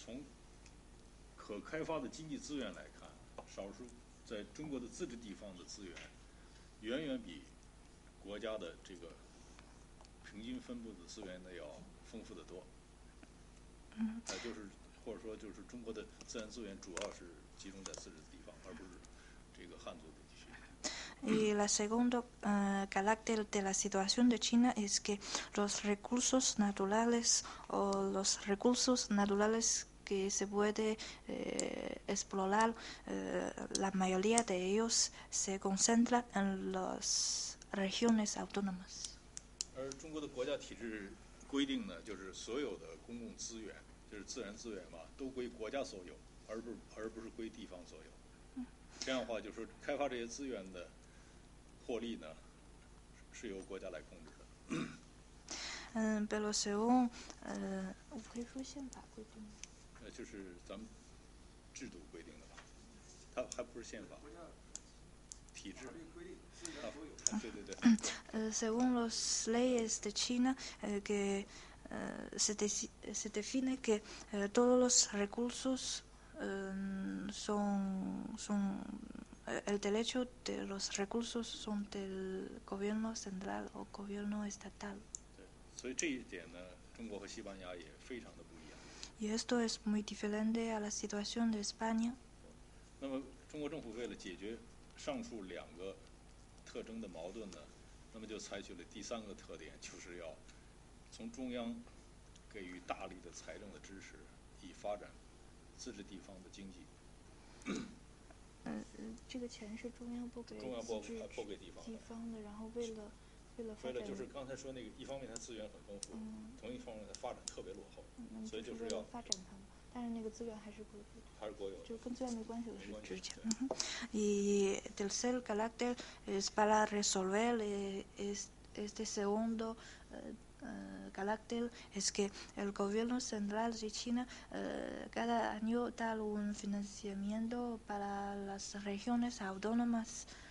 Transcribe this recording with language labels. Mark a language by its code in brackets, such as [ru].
[zh] Y 在中国的自治地方的资源远远比国家的这个平均分布的资源的要丰富的多，就是或者说就是中国的自然资源主要是集中在自治地方，而不是这个汉族的地区。 [es] Y la segunda carácter de la situación de China es que los recursos naturales o los recursos naturales que se puede explorar, la mayoría de ellos se concentra en las regiones autónomas. [zh] 而中国的国家体制规定呢，就是所有的公共资源，就是自然资源嘛，都归国家所有，而不是归地方所有。这样的话，就是开发这些资源的获利呢，是由国家来控制的。 [es] pero según, [zh] 我可以说宪法规定吗？就是咱们制度规定的吧，它还不是宪法，体制。啊，对。 [es] Según las leyes de China, que se define que todos los recursos son el derecho de los recursos son del gobierno central o gobierno estatal. [zh] 对，所以这一点呢，中国和西班牙也非常的。 [es] Y esto es muy diferente a la situación de España. [zh] 那么中国政府为了解决上述两个特征的矛盾呢，那么就采取了第三个特点，就是要从中央给予大力的财政的支持，以发展自治地方的经济。这个钱是中央拨给中央拨给地方的，然后为了就是刚才说那个，一方面它资源很丰富，同一方面它发展特别落后，所以就是要发展它。但是那个资源还是国有的，还是国有的，就跟资源没关系的是之前。 [es] Y tercer carácter es para resolver este segundo carácter es que el gobierno central de China cada año da un financiamiento para las regiones autónomas.